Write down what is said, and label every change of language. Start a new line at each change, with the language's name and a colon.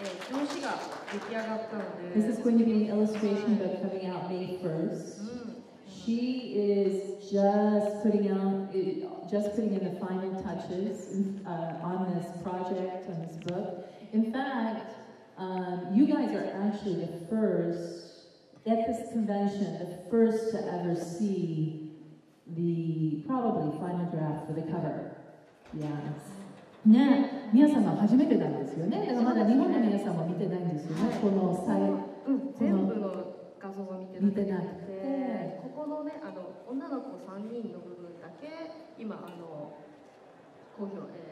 Japanese: 表紙が出来上がったので。
English: This is going to be an illustration book coming out May 1st. She is just putting in the final touches on this project, on this book. In fact,you guys are actually the first at this convention, the first to ever see the probably final draft for the cover. Yes.
Japanese: ね、皆さんは初めてなんですよね。だからまだ日本の皆さんも見てないんですよね。この全部の画像は見てなくて、ここのね、女の子3人の部分だけ今公表、